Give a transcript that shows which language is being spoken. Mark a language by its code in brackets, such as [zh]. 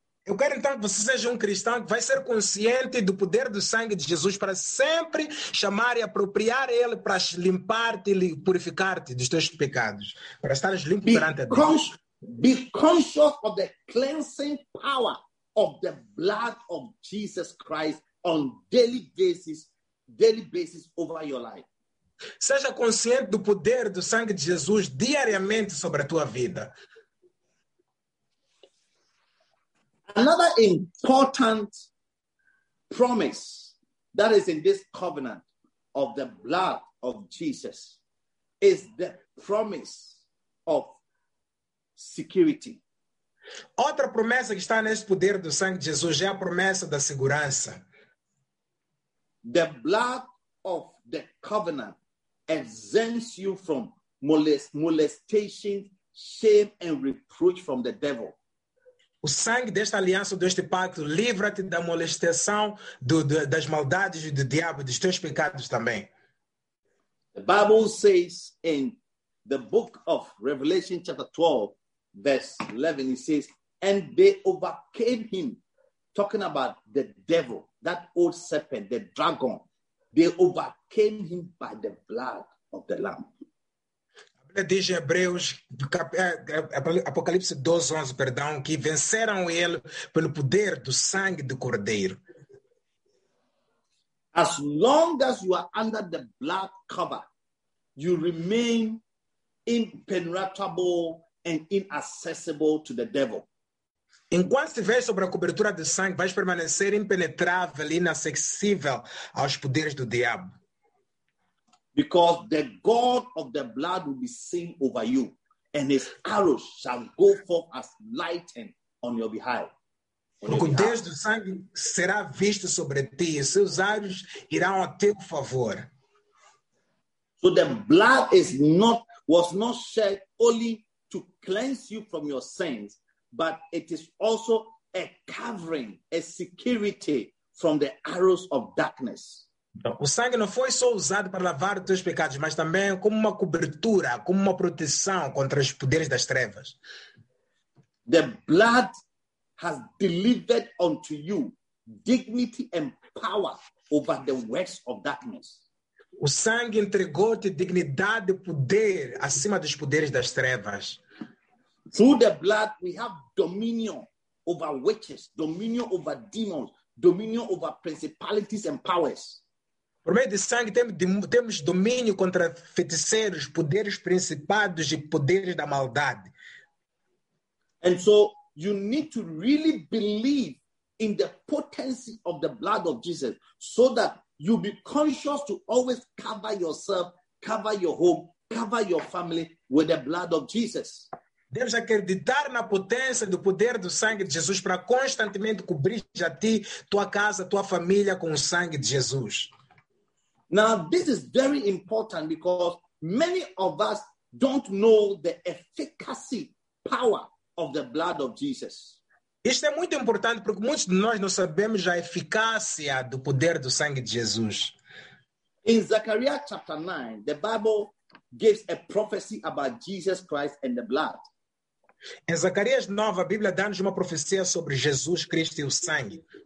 [pt] Eu quero então que você seja um cristão que vai ser consciente do poder do sangue de Jesus para sempre chamar e apropriar ele para limpar-te e purificar-te dos teus pecados. Para estares limpo perante a Deus. [en] Be conscious of the cleansing power of the blood of Jesus Christ on daily basis over your life. [pt] Seja consciente do poder do sangue de Jesus diariamente sobre a tua vida. [en] Another important promise that is in this covenant of the blood of Jesus is the promise of security. [pt] Outra promessa que está nesse poder do sangue de Jesus é a promessa da segurança. [en] The blood of the covenant exempts you from molestation, shame, and reproach from the devil. [pt] O sangue desta aliança, deste pacto, livra-te da molestação, das maldades do diabo, dos teus pecados também. [en] The Bible says in the book of Revelation, chapter 12, verse 11, it says, and they overcame him, talking about the devil, that old serpent, the dragon. They overcame him by the blood of the Lamb. [pt] Diz em Hebreus, Apocalipse 12, 11, perdão, que venceram ele pelo poder do sangue do Cordeiro. [en] As long as you are under the blood cover, you remain impenetrable and inaccessible to the devil. [pt] Enquanto estiver sobre a cobertura do sangue, vais permanecer impenetrável e inacessível aos poderes do diabo. [en] Because the God of the blood will be seen over you, and his arrows shall go forth as lightning on your behalf. [pt] Porque o Deus do sangue será visto sobre ti, e seus arrows irão a teu favor. [en] So the blood was not shed only to cleanse you from your sins, but it is also a covering, a security from the arrows of darkness. [pt] O sangue não foi só usado para lavar os teus pecados, mas também como uma cobertura, como uma proteção contra os poderes das trevas. [en] The blood has delivered unto you dignity and power over the works of darkness. [pt] O sangue entregou-te dignidade e poder acima dos poderes das trevas. [en] Through the blood we have dominion over witches, dominion over demons, dominion over principalities and powers. [pt] Por meio de sangue temos domínio contra feiticeiros, poderes principados e poderes da maldade. [en] And so you need to really believe in the potency of the blood of Jesus so that you be conscious to always cover yourself, cover your home, cover your family with the blood of Jesus. [pt] Deves acreditar na potência do poder do sangue de Jesus para constantemente cobrir a ti, tua casa, tua família com o sangue de Jesus. [en] Now, this is very important because many of us don't know the efficacy, power of the blood of Jesus. [pt] Isto é muito importante porque muitos de nós não sabemos a eficácia do poder do sangue de Jesus. [en] In Zechariah chapter 9, the Bible gives a prophecy about Jesus Christ and the blood. [pt] Em Zacarias 9, a Bíblia dá-nos uma profecia sobre Jesus Cristo e o sangue.